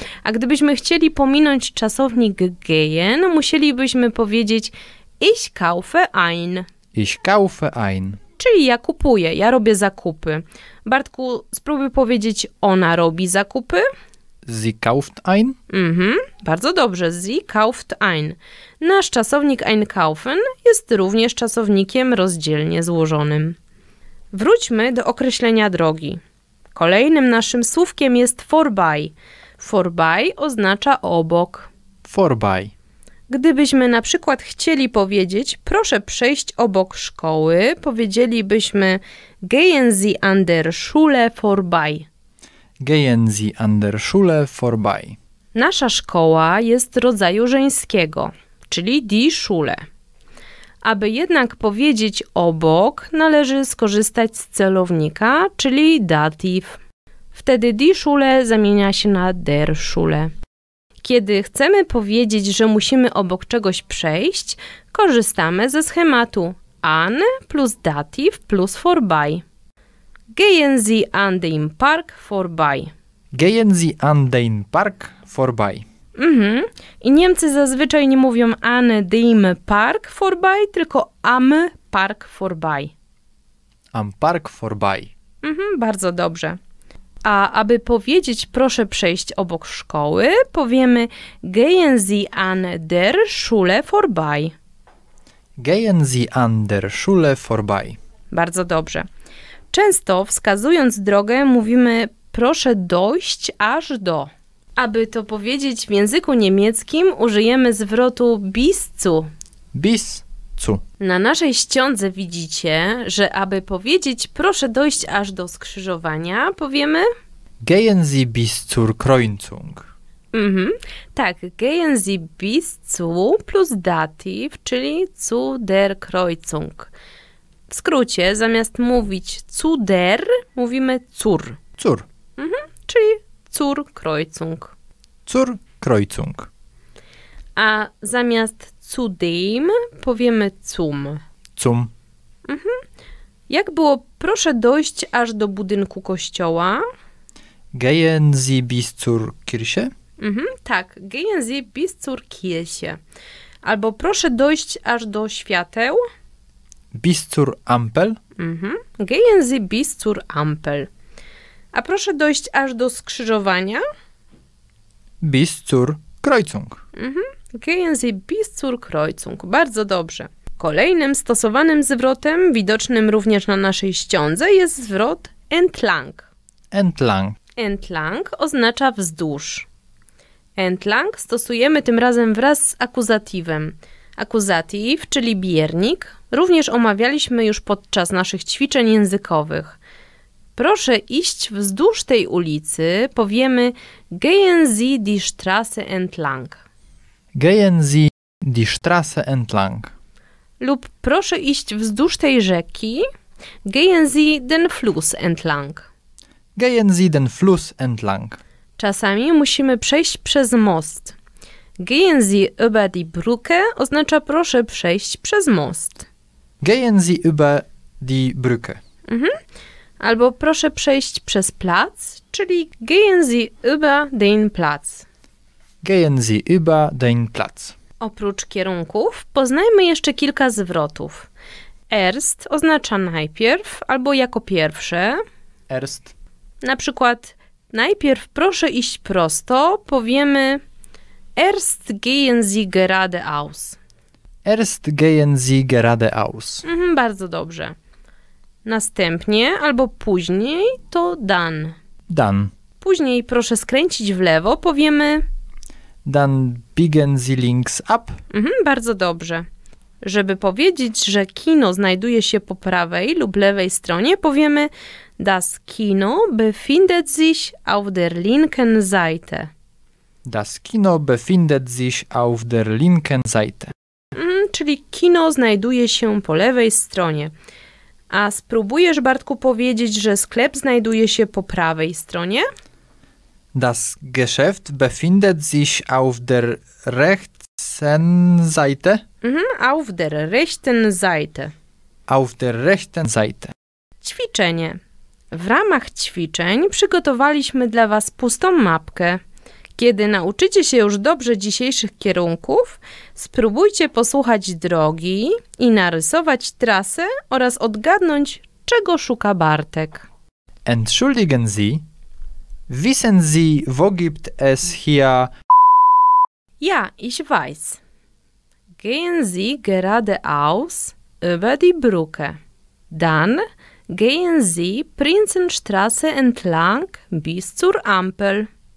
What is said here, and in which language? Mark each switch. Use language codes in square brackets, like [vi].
[pl] A gdybyśmy chcieli pominąć czasownik gehen, musielibyśmy powiedzieć [de] ich kaufe ein. Ich kaufe ein. [pl] Czyli ja kupuję, ja robię zakupy. Bartku, spróbuj powiedzieć, ona robi zakupy. [de] Sie kauft ein. [pl] Bardzo dobrze, [de] sie kauft ein. [pl] Nasz czasownik einkaufen jest również czasownikiem rozdzielnie złożonym. Wróćmy do określenia drogi. Kolejnym naszym słówkiem jest vorbei. Vorbei oznacza obok. [de] Vorbei. [pl] Gdybyśmy na przykład chcieli powiedzieć proszę przejść obok szkoły, powiedzielibyśmy [de] gehen Sie an der Schule vorbei. Gehen Sie an der Schule vorbei. [pl] Nasza szkoła jest rodzaju żeńskiego, czyli [de] die Schule. [pl] Aby jednak powiedzieć obok, należy skorzystać z celownika, czyli dativ. Wtedy [de] die Schule [pl] zamienia się na [de] der Schule. [pl] Kiedy chcemy powiedzieć, że musimy obok czegoś przejść, korzystamy ze schematu an plus dativ plus vorbei. [de] Gehen Sie an den Park vorbei. Gehen Sie an den Park vorbei. [pl] I Niemcy zazwyczaj nie mówią [de] an dem Park vorbei, [pl] tylko [de] am Park vorbei. Am Park vorbei. [pl] Bardzo dobrze. A aby powiedzieć proszę przejść obok szkoły, powiemy [de] Gehen Sie an der Schule vorbei. Gehen Sie an der Schule vorbei. [pl] Bardzo dobrze. Często wskazując drogę mówimy proszę dojść aż do. Aby to powiedzieć w języku niemieckim użyjemy zwrotu [de] bis zu. Bis zu. [pl] Na naszej ściądze widzicie, że aby powiedzieć proszę dojść aż do skrzyżowania powiemy [de] Gehen Sie bis zur Kreuzung. Mhm. [pl] Tak, [de] gehen Sie bis zu plus dativ, [pl] czyli [de] zu der Kreuzung. [pl] W skrócie, zamiast mówić [de] zu der, [pl] mówimy [de] zur. Zur. Mhm, [pl] czyli [de] zur Kreuzung. Zur Kreuzung. [pl] A zamiast [de] zu dem [pl] powiemy [de] zum. Zum. Mhm. [pl] Jak było proszę dojść aż do budynku kościoła? [de] Gehen Sie bis zur Kirche? Mhm, [pl] tak, [de] gehen Sie bis zur Kirche. [pl] Albo proszę dojść aż do świateł. [de] Bis zur Ampel. Mhm, gehen Sie bis zur Ampel. [pl] A proszę dojść aż do skrzyżowania. [de] Bis zur Kreuzung. Mhm, gehen Sie bis zur Kreuzung. [pl] Bardzo dobrze. Kolejnym stosowanym zwrotem, widocznym również na naszej ściądze, jest zwrot entlang. [de] Entlang. [pl] Entlang oznacza wzdłuż. Entlang stosujemy tym razem wraz z akuzatywem. Akuzativ, czyli biernik, również omawialiśmy już podczas naszych ćwiczeń językowych. Proszę iść wzdłuż tej ulicy, powiemy [de] Gehen Sie die Straße entlang. Gehen Sie die Straße entlang. [pl] Lub proszę iść wzdłuż tej rzeki, [de] Gehen Sie den Fluss entlang. Gehen Sie den Fluss entlang. [pl] Czasami musimy przejść przez most. [de] Gehen Sie über die Brücke [pl] oznacza proszę przejść przez most. [de] Gehen Sie über die Brücke. Mhm. [pl] Albo proszę przejść przez plac, czyli [de] Gehen Sie über den Platz. Gehen Sie über den Platz. [pl] Oprócz kierunków poznajmy jeszcze kilka zwrotów. Erst oznacza najpierw albo jako pierwsze. [de] Erst. [pl] Na przykład najpierw proszę iść prosto, powiemy [de] Erst gehen Sie geradeaus. Erst gehen Sie geradeaus. [pl] Mhm, bardzo dobrze. Następnie albo później to dann. [de] Dann. [pl] Później proszę skręcić w lewo, powiemy [de] Dann biegen Sie links ab. [pl] Mhm, bardzo dobrze. Żeby powiedzieć, że kino znajduje się po prawej lub lewej stronie, powiemy [de] Das Kino befindet sich auf der linken Seite. Das Kino befindet sich auf der linken Seite. [pl] Mhm, czyli kino znajduje się po lewej stronie. A spróbujesz, Bartku, powiedzieć, że sklep znajduje się po prawej stronie? [de] Das Geschäft befindet sich auf der rechten Seite. Mhm, auf der rechten Seite. Auf der rechten Seite. [pl] Ćwiczenie. W ramach ćwiczeń przygotowaliśmy dla Was pustą mapkę. Kiedy nauczycie się już dobrze dzisiejszych kierunków, spróbujcie posłuchać drogi i narysować trasę oraz odgadnąć, czego szuka Bartek. [de] Entschuldigen Sie, wissen Sie, wo gibt es hier... Ja, ich weiß. Gehen Sie geradeaus über die Brücke. Dann gehen Sie Prinzenstraße entlang bis zur Ampel.